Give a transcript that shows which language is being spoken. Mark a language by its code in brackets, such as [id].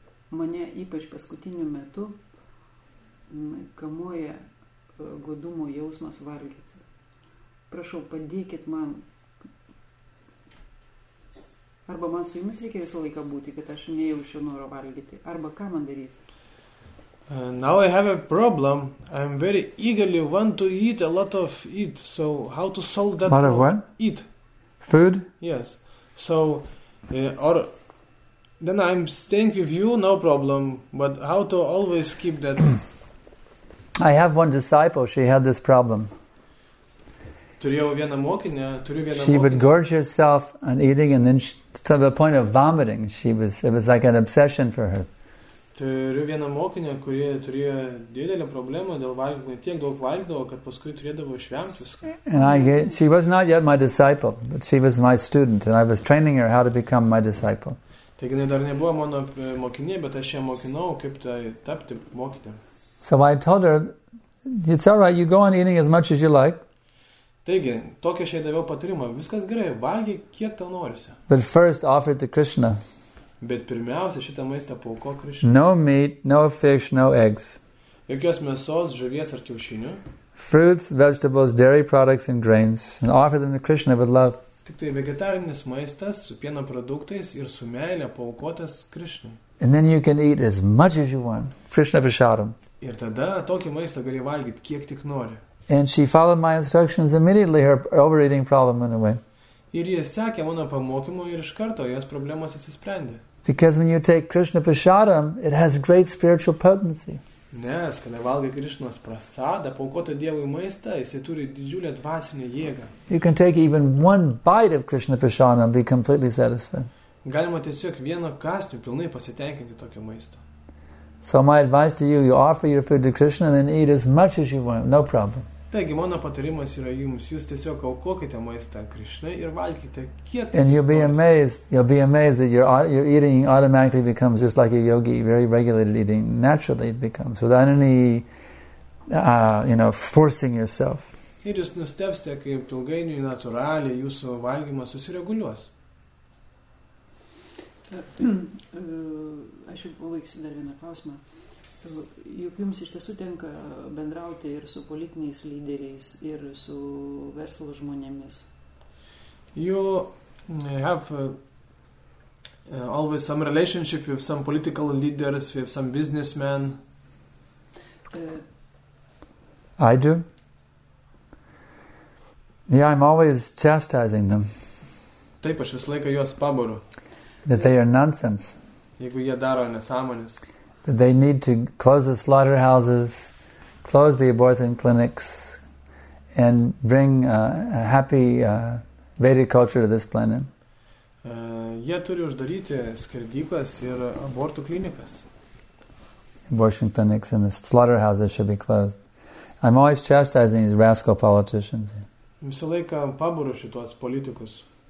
[lt] Mane ypač paskutiniu metu kamuoja godumo jausmas valgyti. Prašau, padėkit man. Arba man su jumis reikia visą laiką būti, kad aš nejaučiu noro valgyti. Arba ką man daryti? [en] Now I have a problem. I'm very eagerly want to eat a lot of eat. So how to solve that? Lot of what? Eat. Food? Yes. So, or then I'm staying with you, no problem. But how to always keep that? I have one disciple. She had this problem. She would gorge herself on eating, and then she, to the point of vomiting, she was. It was like an obsession for her. [lt] Turiu vieną mokinę, kurie turėjo didelę problemą dėl valgymo, tiek daug valgydavo, kad paskui turėdavo išvengti viską. [en] And she was not yet my disciple, but she was my student, and I was training her how to become my disciple. [lt] Taigi, jinai dar nebuvo mano mokinė, bet aš ją mokinau, kaip tapti mokinė. [en] So I told her, it's all right, you go on eating as much as you like. [lt] Taigi, tokia aš jai daviau patarimą, viskas gerai, valgyk, kiek tau norisi. [en] But first offer to Krishna. [lt] Bet pirmiausia, šitą maistą pauko Krishna. [en] No meat, no fish, no eggs. [lt] Jokios mėsos, žuvies ar kiaušinių. [en] Fruits, vegetables, dairy products and grains. And offer them to Krishna with love. [lt] Tik tai vegetarinis maistas su pieno produktais ir su meilė paukotas Krishna. [en] And then you can eat as much as you want. Krishna prasadam. [lt] Ir tada tokį maistą gali valgyti, kiek tik nori. [en] And she followed my instructions immediately, her overeating problem went away. [lt] Ir jie sekė mano pamokymu ir iš karto jos problemos įsisprendė. [en] Because when you take Krishna prasadam, it has great spiritual potency. [lt] Nes, kai valgai Krishnas prasadą, paukoto Dievui maistą, jis turi didžiulę dvasinę jėgą. [en] You can take even one bite of Krishna prasadam and be completely satisfied. [lt] Galima tiesiog vieną kąsnį pilnai pasitenkinti tokio maisto. [en] So my advice to you, you offer your food to Krishna and then eat as much as you want, no problem. [lt] Taigi, mano patarimas yra jums. Jūs tiesiog aukokite maistą Krishnai ir valgykite kiek. [en] And you'll be amazed that your eating automatically becomes just like a yogi, very regulated eating. Naturally it becomes, without any, forcing yourself. [lt] Ir jūs nustebsite, kaip ilgainiui natūraliai jūsų valgymas susireguliuos. Aš jau pavaiksiu dar vieną klausimą. Juk jums iš tiesų tenka bendrauti ir su politiniais lyderiais, ir su verslo žmonėmis. [en] You have always some relationship with some political leaders, with some businessmen. I do. Yeah, I'm always chastising them. [lt] Taip, aš visą laiką juos pabaru. [en] That they are nonsense. [lt] Jeigu jie daro nesąmonės. [en] That they need to close the slaughterhouses, close the abortion clinics, and bring a happy Vedic culture to this planet. [lt] Jie turi uždaryti skerdyklas ir abortų klinikas. [en] Abortion clinics and the slaughterhouses should be closed. I'm always chastising these rascal politicians. [lt] Visą laiką paburu šituos politikus.